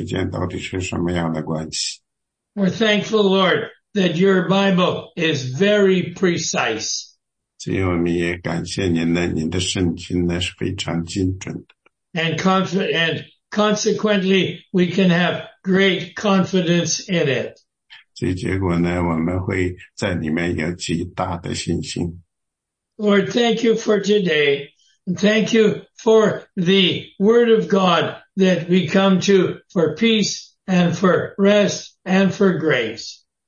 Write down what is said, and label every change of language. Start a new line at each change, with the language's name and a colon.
Chinese: 这个呢，主要特别，但是在今天我们发现的这个呢，就是到底是外甥呢，还是表弟的这样的问题呢？但是我们发现呢，这个问题它并不是最重要的一个问题。但是不管怎么样，请你帮助我们呢，找出他们两个之间到底是什么样的关系。
English: We're thankful, Lord, that your Bible is very precise.
Chinese: 所以我们也感谢您呢，您的圣经呢是非常精准的。
English: And consequently, we can have great confidence in it.
Chinese: 所以结果呢，我们会在里面有极大的信心。
English: Lord, thank you for today. Thank you for the word of God that we come to for peace and for rest and for grace.